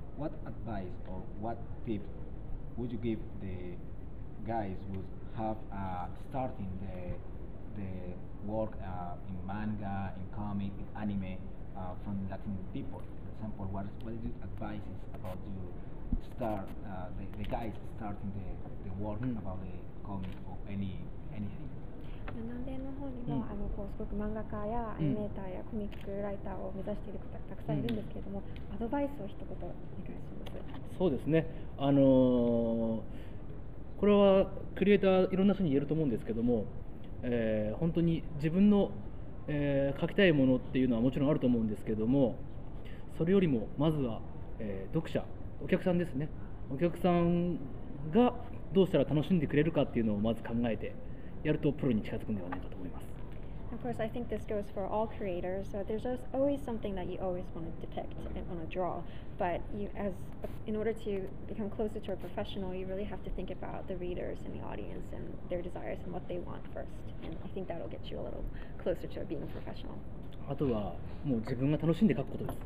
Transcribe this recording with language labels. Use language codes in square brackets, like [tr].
[en] What advice or what tip would you give the guys who have starting the work in manga, in comic, in anime from Latin people? For example, what is your advice about you start, the guys starting the work、mm. about the comic or anything? [ja] 南米の方にも、mm. すごく漫画家やアニメーターやコミックライターを目指している方がたくさんいるんですけれども、mm. アドバイスを一言お願いします。そうですね、これはクリエイターいろんな人に言えると思うんですけども、本当に自分の、描きたいものっていうのはもちろんあると思うんですけども、それよりもまずは、読者、お客さんですね、お客さんがどうしたら楽しんでくれるかっていうのをまず考えてやるとプロに近づくのではないかと思います。 [en] Of course, I think this goes for all creators, so there's always something that you always want to depict and want to draw, but you, as in order to become closer to a professional, you really have to think about the readers and the audience and their desires and what they want first. And I think that'll get you a little closer to being a professional. [ja] あとはもう自分が楽しんで描くことです。